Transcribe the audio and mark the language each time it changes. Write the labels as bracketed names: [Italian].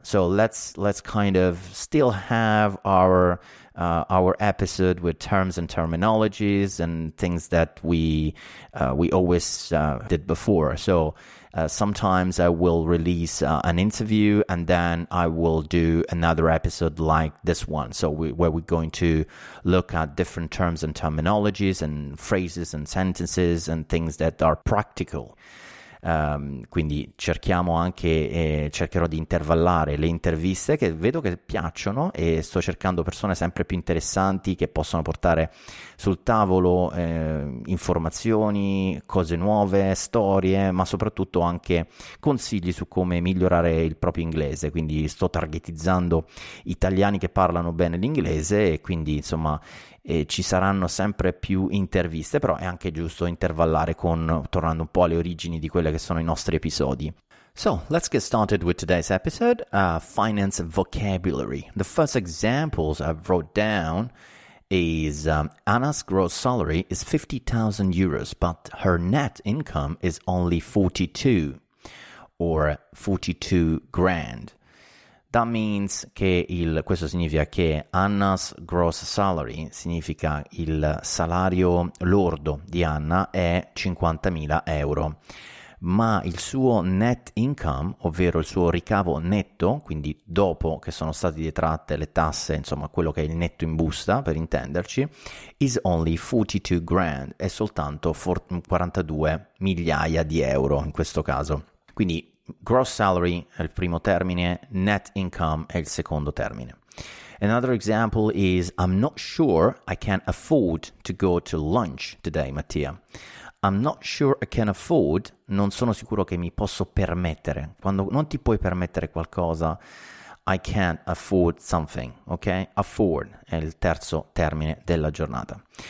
[English] So let's kind of still have our episode with terms and terminologies and things that we always did before. So sometimes I will release an interview and then I will do another episode like this one. So where we're going to look at different terms and terminologies and phrases and sentences and things that are practical. [Italian] Quindi cerchiamo anche cercherò di intervallare le interviste che vedo che piacciono e sto cercando persone sempre più interessanti che possono portare sul tavolo informazioni, cose nuove, storie, ma soprattutto anche consigli su come migliorare il proprio inglese. Quindi sto targetizzando italiani che parlano bene l'inglese e quindi insomma ci saranno sempre più interviste, però è anche giusto intervallare tornando un po' alle origini di quelle che sono i nostri episodi. [English] So, let's get started with today's episode, finance vocabulary. The first examples I've wrote down is Anna's gross salary is 50,000 euros, but her net income is only 42 or 42 grand. That means [Italian] che questo significa che Anna's gross salary significa il salario lordo di Anna è 50.000 euro, ma il suo net income, ovvero il suo ricavo netto, quindi dopo che sono state detratte le tasse, insomma quello che è il netto in busta per intenderci, [English] is only 42 grand, [Italian] è soltanto 42 migliaia di euro in questo caso. Quindi gross salary è il primo termine, net income è il secondo termine. [English] Another example is I'm not sure I can afford to go to lunch today, Mattia. I'm not sure I can afford, [Italian] non sono sicuro che mi posso permettere. Quando non ti puoi permettere qualcosa, [English] I can't afford something, ok? [Italian] Afford è il terzo termine della giornata.